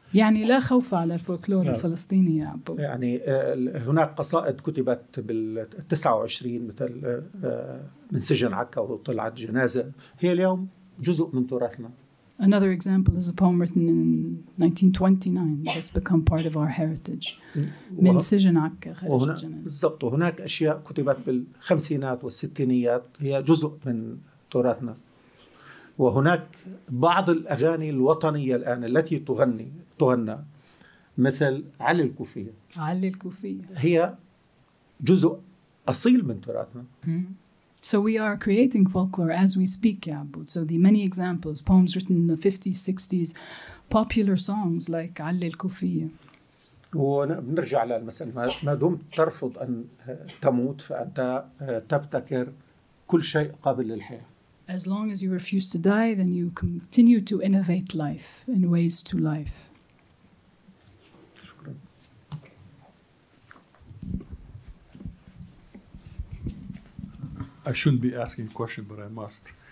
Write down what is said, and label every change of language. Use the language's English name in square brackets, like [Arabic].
[Arabic] يعني لا خوف على الفولكلور الفلسطيني يا عبو. يعني هناك قصائد كتبت بال29 مثل من سجن عكا وطلعت جنازة هي اليوم جزء من تراثنا. [English] Another example is a poem written in 1929 that has become part of our heritage. [Arabic] من سجن عكا خرج جنازة. بالضبط وهناك أشياء كتبت بالخمسينات والستينيات هي جزء من تراثنا. وهناك بعض الأغاني الوطنية الآن التي تغنى مثل علي الكوفية. علي الكوفية هي جزء أصيل من تراثنا. [English] So we are creating folklore as we speak, Ya'bud. So the many examples, poems written in the 50s, 60s, popular songs like Ali al-Kufiya. [Arabic] ونرجع للمسألة ما دمت ترفض أن تموت فأنت تبتكر كل شيء قابل للحياة. [English] As long as you refuse to die, then you continue to innovate life and ways to life. I shouldn't be asking a question, but I must.